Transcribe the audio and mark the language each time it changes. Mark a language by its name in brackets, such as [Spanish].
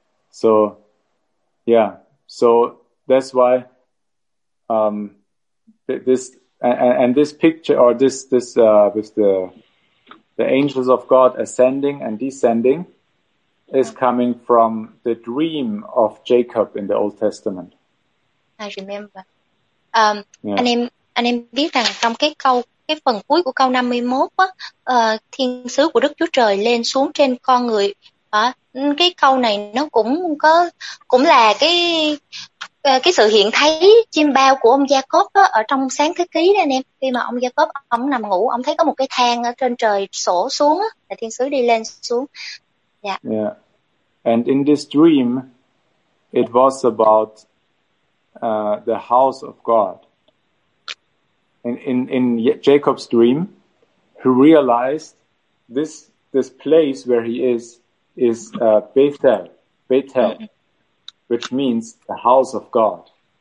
[English] So yeah, so that's why this picture or this with the angels of God ascending and descending is coming from the dream of Jacob in the Old Testament. I remember. Yeah. [Vietnamese] Anh em biết rằng trong cái phần cuối của câu 51 á, thiên sứ của Đức Chúa Trời lên xuống trên con người. Cái câu này nó cũng là cái sự hiện thấy chim bao của ông Jacob đó, ở trong Sáng Thế Ký đó anh em. Khi mà ông Jacob ông nằm ngủ, ông thấy có một cái thang ở trên trời sổ xuống đó, là thiên sứ đi lên xuống. [English] Yeah. Yeah. And in this dream it was about the house of God. In Jacob's dream he realized this place where he is Bethel, which means the house of God.